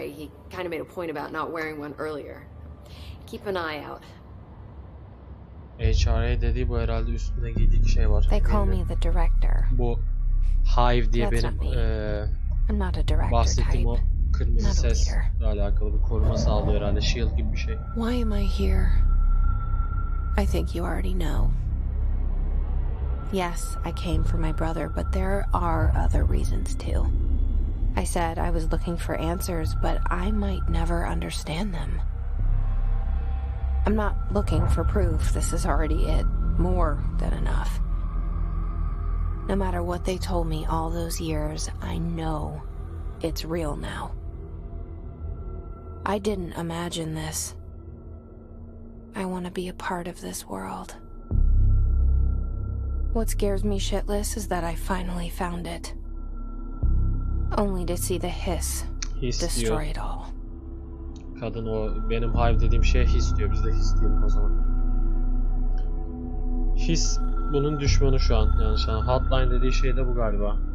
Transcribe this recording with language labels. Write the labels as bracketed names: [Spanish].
[English] He kind of made a point about not wearing one earlier. Keep an eye out. [Turkish] HRA dedi bu herhalde üstünde giydiği şey var. [English] They call me the director. [Turkish] Bu Hive diye benim [English] I'm not a director [Turkish] bahsettiğim o kırmızı sesle alakalı bir koruma sağlıyor herhalde. Shield gibi bir şey. [English] Why am I here? I think you already know. Yes, I came for my brother, but there are other reasons too. I said I was looking for answers, but I might never understand them. I'm not looking for proof. This is already it. More than enough. No matter what they told me all those years, I know it's real now. I didn't imagine this. I want to be a part of this world. What scares me shitless is that I finally found it. Only to see the hiss destroy it all. [Turkish] Kadın o benim hive dediğim şeye his diyor. Biz de his diyelim o zaman. His bunun düşmanı şu an. Yani şu an hotline dediği şey de bu galiba.